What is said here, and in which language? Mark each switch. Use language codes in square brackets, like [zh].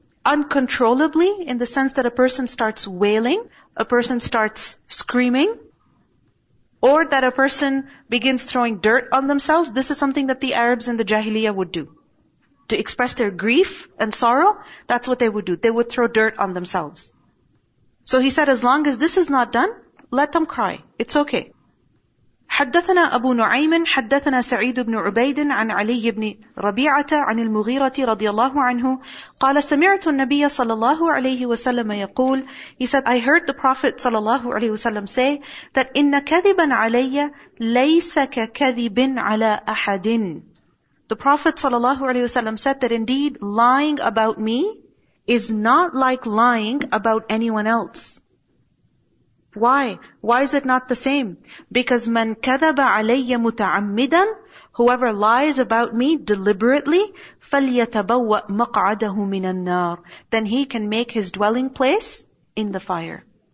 [en] uncontrollably, in the sense that a person starts wailing, a person starts screaming, or that a person begins throwing dirt on themselves. This is something that the Arabs in the Jahiliyyah would do. To express their grief and sorrow, that's what they would do. They would throw dirt on themselves. So he said, as long as this is not done, let them cry. It's okay. [ar] حدثنا أبو نعيم حدثنا سعيد بن عبيد عن علي بن ربيعة عن المغيرة رضي الله عنه قال سمعت النبي صلى الله عليه وسلم يقول. [en] He said, I heard the Prophet صلى الله عليه وسلم say that [ar] إن كذبا علي ليس ككذب على أحد. [en] The Prophet صلى الله عليه وسلم said that indeed lying about me is not like lying about anyone else. Why? Why is it not the same? Because [ar] من كذب علي متعمدا, [en] whoever lies about me deliberately, [ar] فليتبوأ مقعده من النار, [en] then he can make his dwelling place in the fire.